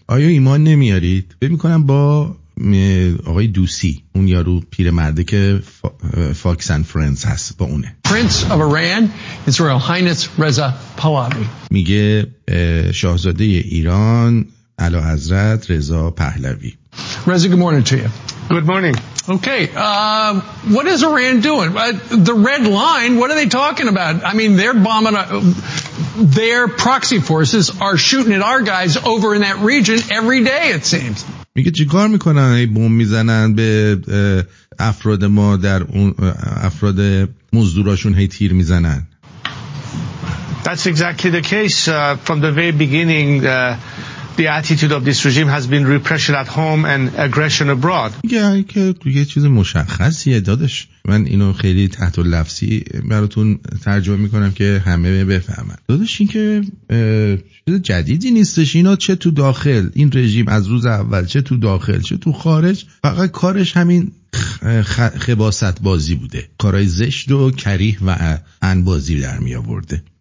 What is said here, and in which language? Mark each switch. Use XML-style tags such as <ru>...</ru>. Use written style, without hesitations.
<fa>آیا ایمان نمیارید؟ ببین کنم با آقای دوسی، اون یارو پیر مرده که فاکس اند فرندز هست، با اونه.</fa> <en>Prince of Iran, His Royal Highness Reza Pahlavi.</en> <fa>میگه شاهزاده ایران اعلیحضرت رضا پهلوی.</fa> <en>Reza, good morning to you. Good morning. Okay, what is Iran doing? The red line, what are they talking about? I mean, they're bombing, their proxy forces are shooting at our guys over in that region every day, it seems.</en> <fa>میگه چیکار میکنن؟ ای بوم میزنن به افراد ما در اون افراد مزدوراشون، هی تیر میزنن.</fa> <en>That's exactly the case. From the very beginning, the attitude of this regime has been repression at home and aggression abroad.</en> <fa>میگه یه چیز مشخصیه دادش. من اینو خیلی تحت لفظی براتون ترجمه میکنم که همه بفهمن. دادش این که چیز جدیدی نیستش، اینا چه تو داخل این رژیم از روز اول، چه تو داخل چه تو خارج، فقط کارش همین خباثت بازی بوده، کارهای زشت و کریه و انبازی در می آورده.</fa>